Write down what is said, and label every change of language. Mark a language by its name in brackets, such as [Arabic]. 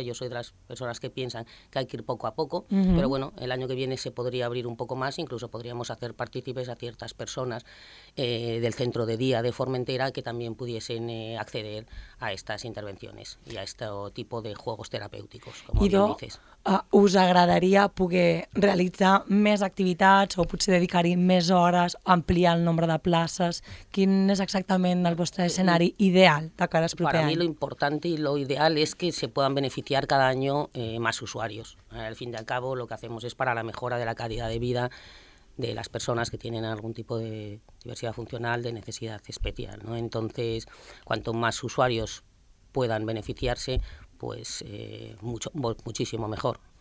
[Spanish] Yo soy de las personas que piensan que hay que ir poco a poco, pero bueno, el año que viene se podría abrir un poco más, incluso podríamos hacer partícipes a ciertas personas del centro de día de Formentera que también pudiesen acceder a estas intervenciones y a este tipo de juegos terapéuticos, como bien dices. [Catalan] Us agradaria poder realitzar més activitats o potser dedicar-hi més hores, ampliar el nombre de places? Quin és exactament el vostre escenari ideal de cara al proper any? [Spanish] Para mí lo importante y lo ideal es que se puedan beneficiar cada año más usuarios. Al fin y al cabo, lo que hacemos es para la mejora de la calidad de vida de las personas que tienen algún tipo de diversidad funcional, de necesidad especial, ¿no? Entonces, cuanto más usuarios puedan beneficiarse, pues muchísimo mejor.